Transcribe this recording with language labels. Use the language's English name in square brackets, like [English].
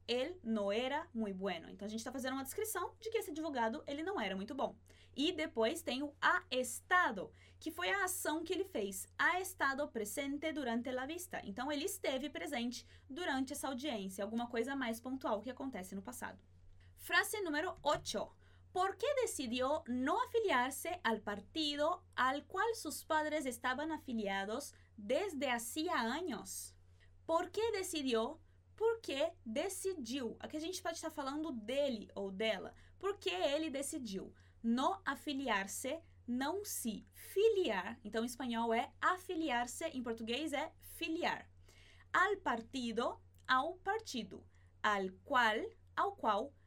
[Spanish] Él no era muy bueno. [Portuguese] Então, a gente está fazendo uma descrição de que esse advogado ele não era muito bom. E depois tem o ha estado, que foi a ação que ele fez. [Spanish] Ha estado presente durante la vista. [Portuguese] Então, ele esteve presente durante essa audiência. Alguma coisa mais pontual que acontece no passado. Frase número 8. [Spanish] ¿Por qué decidió no afiliarse al partido al cual sus padres estaban afiliados desde hacía años? ¿Por qué decidió? ¿Por qué decidiu? [Portuguese] Aqui a gente pode estar falando dele ou dela. ¿Por qué ele decidiu? [Spanish] No afiliarse, [Portuguese] não se filiar. Então, em espanhol é afiliar-se, em português é filiar. [Spanish] Al partido, [Portuguese] ao partido. [Spanish] Al qual, [Portuguese] ao qual.